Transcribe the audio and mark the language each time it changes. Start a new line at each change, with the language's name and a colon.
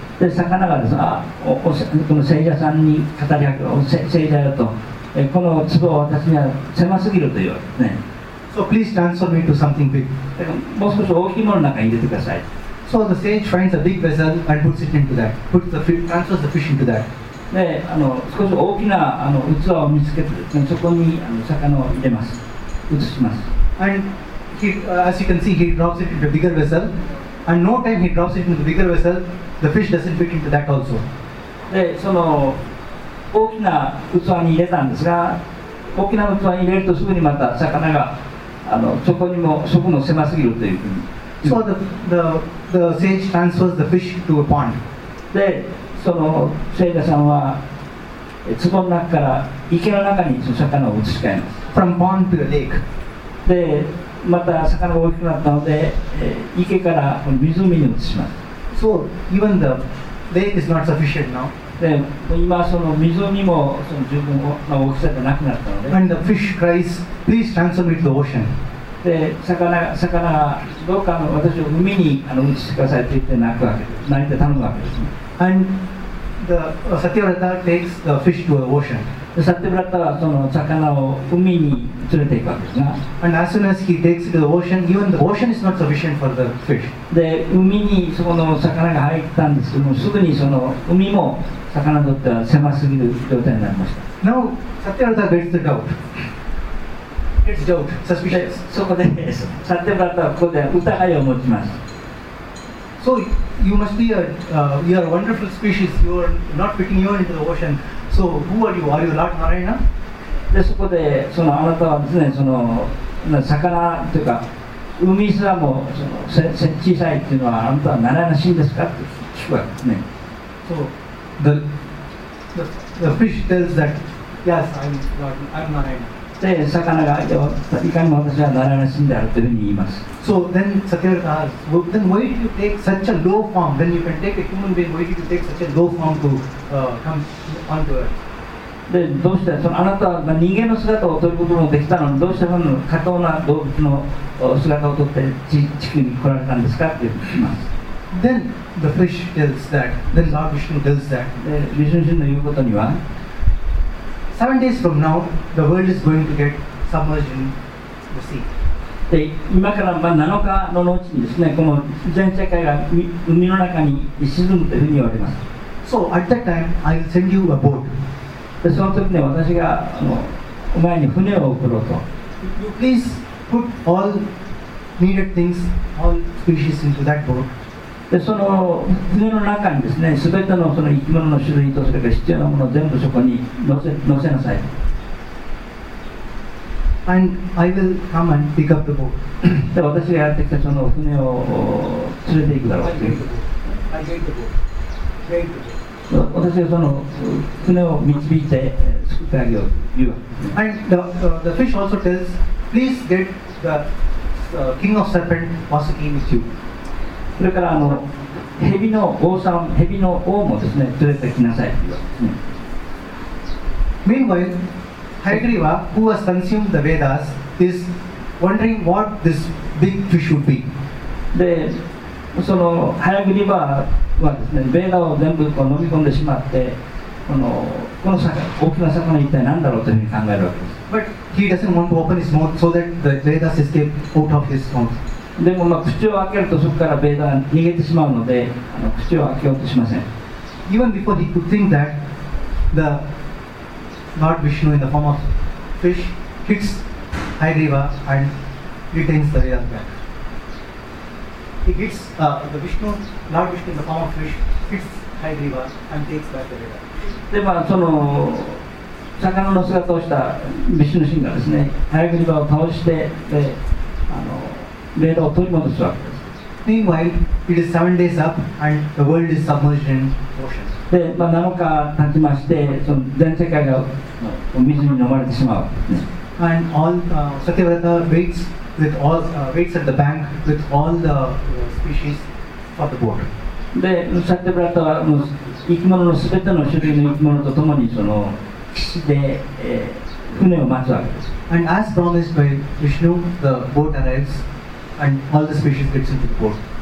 Japanese: で、魚がですね、この聖者さんに語りかけ、聖者よと、この壺を私には狭すぎるというわけですね。
English: So please transfer me to something big.
Japanese: もう少し大きいものの中に入れてください。
English: So the sage finds a big vessel and puts it into that. Puts the fish, transfers the fish into that.
Japanese: で、少し大きな器を見つけて、そこに魚を入れます。移します。
English: And he, as you can see, he drops it into a bigger vessel. And no time he drops it into the bigger vessel, the fish doesn't fit into that also.
Japanese: で、その大きな器に入れたんですが、大きな器に入れるとすぐにまた魚がそこにも、そこも狭すぎるというふうに。
English: So the sage transfers the fish to a pond.
Japanese: で、その聖者さんは壺の中から池の中にその魚を移し替えます。
English: From pond to a lake.
Japanese: で、また魚が大きくなったので、池からこの湖に移します。
English: So even the lake is not sufficient now.
Japanese: で今その湖もその十分の大きさでなくなったので
English: And the fish cries, please transfer me to the ocean.
Japanese: で魚がどうか私を海に移してくださいと言って泣くわけです。泣いて頼むわけです。
English: And the Satyavrata takes the fish to the ocean.
Japanese: で Satyavrata はその魚を海に連れていくわけですが
English: And as soon as he takes it to the ocean, even the ocean is not sufficient for the fish.
Japanese: で海にその魚が入ったんですけども、すぐにその海も魚にとっては狭すぎる状態になりました。
English: Now, Satyavrata gets the doubt. Gets doubt. Suspicious.
Japanese: そこで、Satyavrata はここで疑いを持ちます。
English: So, you must be a, you are a wonderful species. You are not fitting you into the ocean. So, who are you? Are you Lord Narayana?
Japanese: で、そこで、そのあなたはですね、その魚というか、海すらもその小さいというのはあなたはならなしいんですかって聞くわけですね。
English: So,The fish tells that, yes, I'm Narayana.
Japanese: で、魚が、いかにも私はナラヤナ神であるというふうに言います。
English: So then Satyavrata asks, well, then why did you take such a low form? When you can take a human being, why did you take such a low form to come onto earth?
Japanese: で、どうしてそのあなたは人間の姿を取ることもできたのに、どうしてその下等な動物の姿を取って地球に来られたんですかというふうに言います。
English: Then the fish tells that. Then Lord Vishnu tells that.
Japanese: Vishnu の言うことには、
English: 7 days from now, the world is going to get submerged in the sea.
Japanese: で、今からまあ7日の後にですね、この全世界が海の中に沈むというふうに言われます。
English: So at that time, I will send you a boat.
Japanese: で、その時ね、私がお前に船を送ろうと。
English: You please put all needed things, all species into that boat.
Japanese: でその船の中にですね、すべて その生き物の種類とそれから必要なものを全部そこに乗せなさい。
English: And I will come and pick up the boat.
Japanese: で私がやってきたその船を連れて行くだろうと。
English: I'll take the boat.
Japanese: 私がその船を導いて救ってあげようというわけです。
English: And the fish also tells, please get the king of serpent Vasuki with you.
Japanese: それから蛇の王さん、蛇の王もですね、連れてきなさいという、うん、
English: Meanwhile, Hayagriva, who has consumed the Vedas, is wondering what this big fish would be.
Japanese: で、その Hayagriva はですね、ベーダを全部こう飲み込んでしまって、この魚、大きな魚は一体何だろうというふうに考えるわけです。
English: But he doesn't want to open his mouth so that the Vedas escape out of his mouth.
Japanese: でもまあ口を開けるとそこからベーダーが逃げてしまうので口を開けようとしません。
English: Even before he could think that, the Lord Vishnu in the form of fish hits Hayagriva and retains the Vedas back. He hits the Vishnu, Lord Vishnu in the form of fish hits Hayagriva and takes back the Vedas.
Japanese: でまあその魚の姿をしたビシュヌ神がですね、Hayagrivaを倒してで、レーダーを取り戻すわけです。
English: Meanwhile, it is 7 days up and the world is submerged in ocean.
Japanese: で、まあ、7日経ちまして、その全世界が水に飲まれてしまう。
English: And all Satyavrata waits with all waits at the bank with all the species for the boat.
Japanese: で、Satyavrata は生き物のすべての種類の生き物とともにその岸で、船を待つわけです。
English: And as promised by Vishnu, the boat arrives.And all the species gets into the boat.